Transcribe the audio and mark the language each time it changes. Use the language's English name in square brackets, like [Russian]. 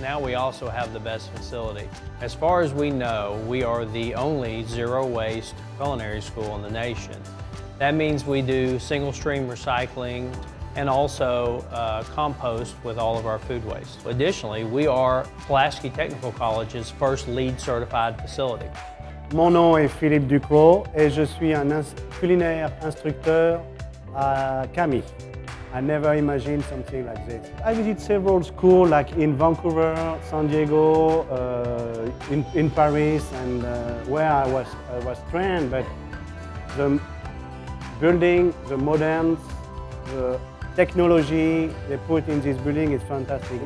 [English] Now we also have the best facility. As far as we know, we are the only zero-waste culinary school in the nation. That means we do single-stream recycling and also compost with all of our food waste. Additionally, we are Pulaski Technical College's first LEED certified facility. [French] Mon nom est Philippe Duclos et je suis un culinaire instructeur à CAHMI. [English] I never imagined something like this. I visited several schools like in Vancouver, San Diego, in Paris, and where I was trained, but the building, the modern, the technology they put in this building is fantastic.